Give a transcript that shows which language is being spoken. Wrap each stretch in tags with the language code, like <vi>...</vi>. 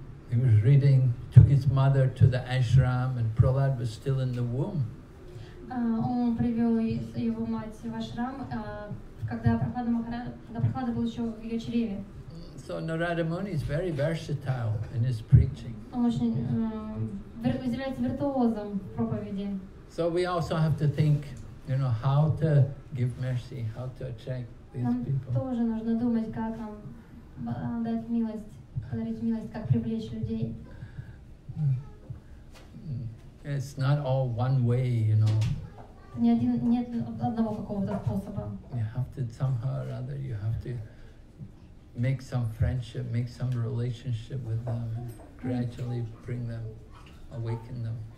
<en>He was reading, took his mother to the ashram, and Prahlad was still in the womb.</en> <ru>Он привел его мать в ашрам, когда Прохлада был еще в ее чреве.</ru> <en>So Narada Muni is very versatile in his preaching.</en> <ru>Он очень является виртуозом в проповеди.</ru> <en>So we also have to think, you know, how to give mercy, how to attract.</en> <ru>Нам тоже нужно думать, как нам дать милость, подарить милость, как привлечь людей.</ru> <en>It's not all one way, you know.</en> <ru>Нет одного какого-то способа.</ru> <en>You have to somehow or other, you have to make some friendship, make some relationship with them, gradually bring them, awaken them.</en>